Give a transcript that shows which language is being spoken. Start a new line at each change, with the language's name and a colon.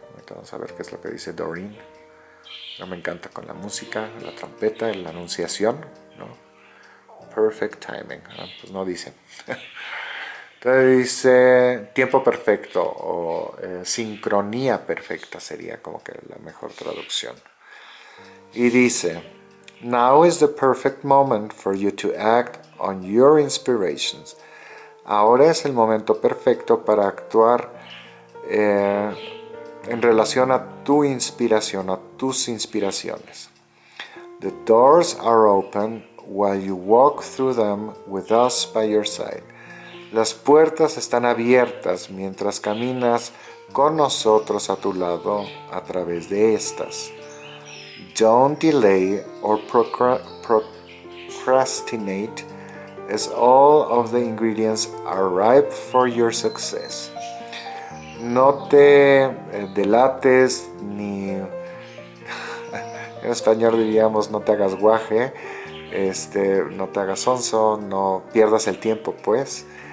Spanish: Ahorita vamos a ver qué es lo que dice Doreen. No me encanta con la música, la trompeta, la anunciación, ¿no?
English: Perfect timing.
Spanish: Ah, pues no dice. Entonces dice tiempo perfecto o sincronía perfecta sería como que la mejor traducción. Y dice:
English: Now is the perfect moment for you to act on your inspirations.
Spanish: Ahora es el momento perfecto para actuar en relación a tu inspiración, a tus inspiraciones.
English: The doors are open while you walk through them with us by your side.
Spanish: Las puertas están abiertas mientras caminas con nosotros a tu lado a través de estas.
English: Don't delay or procrastinate as all of the ingredients are ripe for your success.
Spanish: No te delates ni... En español diríamos no te hagas guaje, no te hagas sonso, no pierdas el tiempo, pues.